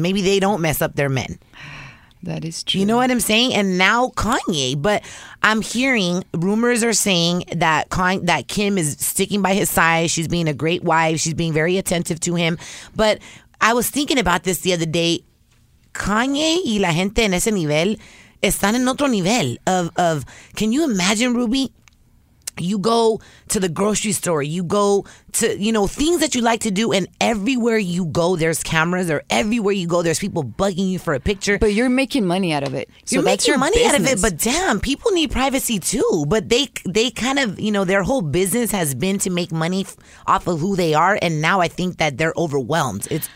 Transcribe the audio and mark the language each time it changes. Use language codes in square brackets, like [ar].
[en] Maybe they don't mess up their men. That is true. You know what I'm saying? And now Kanye. But I'm hearing rumors are saying that Kim is sticking by his side. She's being a great wife. She's being very attentive to him. But I was thinking about this the other day. [es] Kanye y la gente en ese nivel están en otro nivel [en] of can you imagine, Ruby? You go to the grocery store, you go to, you know, things that you like to do, and everywhere you go, there's cameras, or everywhere you go, there's people bugging you for a picture. But you're making money out of it. You're making money out of it, but damn, people need privacy too. But they kind of, you know, their whole business has been to make money off of who they are, and now I think that they're overwhelmed.